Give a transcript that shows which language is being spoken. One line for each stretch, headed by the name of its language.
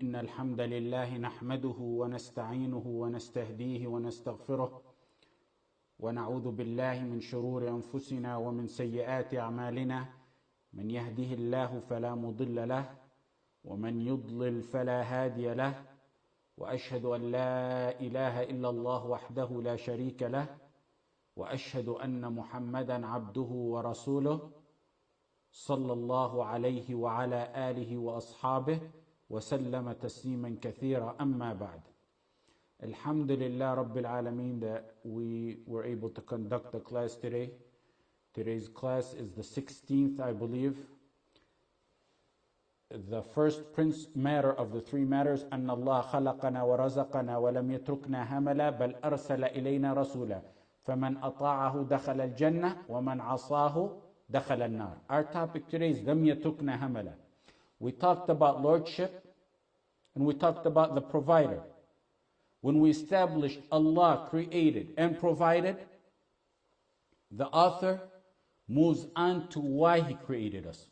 Arabic: إن الحمد لله نحمده ونستعينه ونستهديه ونستغفره ونعوذ بالله من شرور أنفسنا ومن سيئات أعمالنا، من يهده الله فلا مضل له ومن يضلل فلا هادي له، وأشهد أن لا إله إلا الله وحده لا شريك له، وأشهد أن محمدًا عبده ورسوله صلى الله عليه وعلى آله وأصحابه وسلم تسليمًا كثيرًا. أما بعد، الحمد لله رب العالمين
English: that we were able to conduct the class today. Today's class is the 16th, I believe. The first prince matter of the three matters,
Arabic: أن الله خلقنا ورزقنا ولم يتركنا هملا بل أرسل إلينا رسولا فمن أطاعه دخل الجنة ومن عصاه دخل النار.
English: Our topic today is
Arabic: لم يتركنا هملا.
English: We talked about lordship and we talked about the provider. When we established Allah created and provided, the author moves on to why he created us.